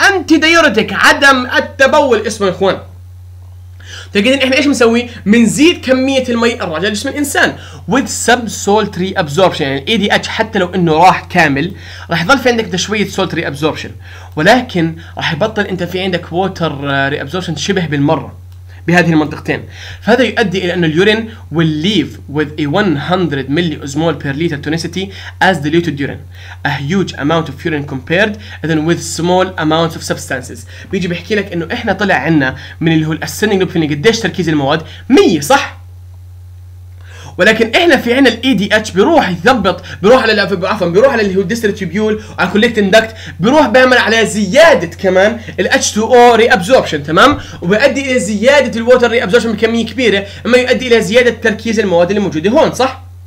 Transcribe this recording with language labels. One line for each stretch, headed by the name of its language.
Arabic: أنتي ديورتيك، عدم التبول اسمه يا إخوان. تجدين إحنا إيش مسوي؟ منزيد كمية المي الراجعة لجسم الإنسان
English: with subsaltry absorption.
Arabic: يعني ADH حتى لو إنه راح كامل راح يظل في عندك ده شوية salty absorption، ولكن راح يبطل أنت في عندك water reabsorption شبه بالمرة بهذه المنطقتين. فهذا يؤدي إلى أن اليورين
English: will leave with a 100
Arabic: ملي أزمول
English: per liter tonicity as diluted urine. A huge amount of urine compared then with small amounts of substances.
Arabic: بيجي بحكي لك أنه إحنا طلع عنا من اللي هو الأسنين لوب فيني قديش تركيز المواد 100 صح؟ ولكن احنا في عنا الـ ADH بيروح يثبط، بيروح على عفوا بيروح على اللي هو الديستال تيوبيول على الكوليكتنج داكت، بيروح بيعمل على زيادة كمان الـ H2O reabsorption تمام، وبيؤدي الى زيادة الـ water reabsorption بكمية كبيرة، اما يؤدي الى زيادة تركيز المواد اللي موجودة هون صح؟